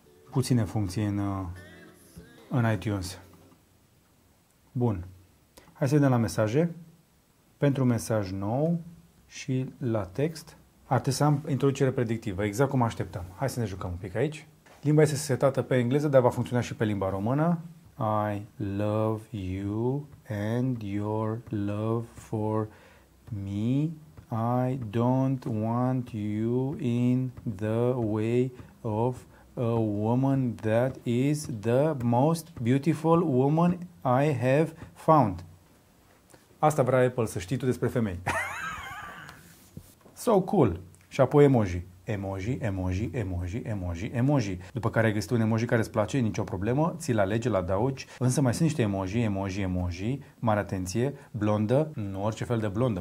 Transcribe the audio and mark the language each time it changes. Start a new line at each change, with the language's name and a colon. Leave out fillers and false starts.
Romanian: Puține funcții în iTunes. Bun. Hai să vedem la mesaje. Pentru mesaj nou și la text, ar trebui să am introducere predictivă, exact cum așteptam. Hai să ne jucăm un pic aici. Limba este setată pe engleză, dar va funcționa și pe limba română.
English: I love you and your love for me. I don't want you in the way of a woman that is the most beautiful woman I have found.
Romanian: Asta vrea Apple să știi tu despre femei.
English: So cool.
Romanian: Și apoi emoji. Emoji, emoji, emoji, emoji, emoji. După care ai găsit un emoji care îți place, nicio problemă, ți-l alegi, îl adaugi. Însă mai sunt niște emoji, emoji, emoji. Mare atenție, blondă, nu orice fel de blondă.